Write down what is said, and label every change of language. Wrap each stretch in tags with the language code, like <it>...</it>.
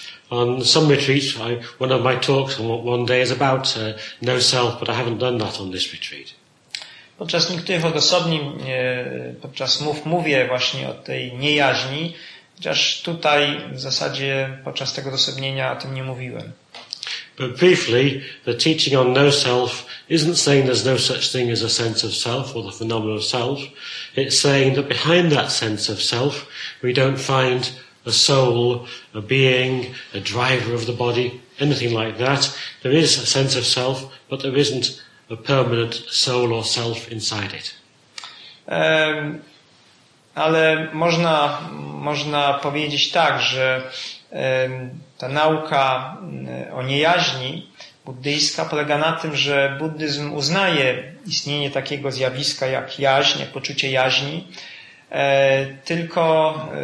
<en>On some retreats, one of my talks on one day is about no self, but I haven't done that on this retreat.</en> <pl>Podczas niektórych odosobnień, podczas mów mówię właśnie o tej niejaźni, chociaż tutaj w zasadzie podczas tego odosobnienia o tym nie mówiłem.</pl> <en>But briefly, the teaching on no self isn't saying there's no such thing as a sense of self or the phenomenon of self. It's saying that behind that sense of self, we don't find a soul, a being, a driver of the body, anything like that. There is a sense of self, but there isn't a permanent soul or self inside it.</en> <pl>Ale można powiedzieć tak, że ta nauka o niejaźni buddyjska polega na tym, że buddyzm uznaje istnienie takiego zjawiska jak jaźń, jak poczucie jaźni, tylko</pl>